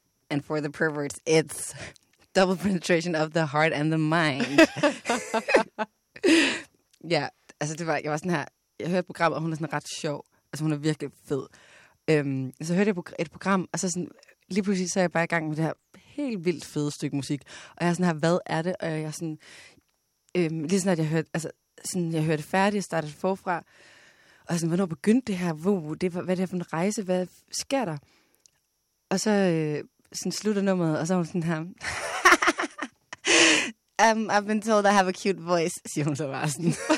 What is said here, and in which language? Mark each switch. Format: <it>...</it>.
<en>And for the perverts, it's Double Penetration of the Heart and the Mind.</en> <da>Ja, altså det var, jeg var sådan her... Jeg hørte et program, og hun er sådan ret sjov. Altså, hun er virkelig fed. Så hørte jeg et program, og så sådan, lige pludselig så er jeg bare i gang med det her helt vildt fede stykke musik. Og jeg er sådan her, hvad er det? Og jeg er sådan, lige sådan, at jeg hørte, altså, sådan, jeg hørte færdigt og startede forfra. Og sådan, hvornår begyndte det her? Hvad er det her for en rejse? Hvad sker der? Og så sådan, slutter nummeret, og så er hun sådan her.</da> <en>I've been told I have a cute voice,</en> <da>siger hun så bare sådan.</da>